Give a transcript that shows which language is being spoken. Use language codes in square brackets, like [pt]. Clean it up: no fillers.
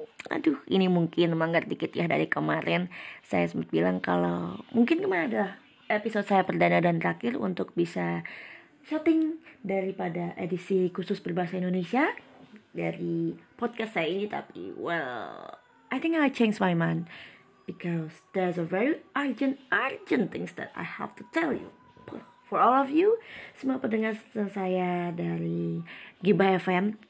[id] Aduh, ini mungkin manggar dikit ya dari kemarin. Saya sempat bilang kalau mungkin kemarin adalah episode saya perdana dan terakhir untuk bisa shooting daripada edisi khusus berbahasa Indonesia dari podcast saya ini. Tapi, [en] well, I think I changed my mind. Because there's a very urgent things that I have to tell you. For all of you, [id] semua pendengar saya dari [en] Gibah FM.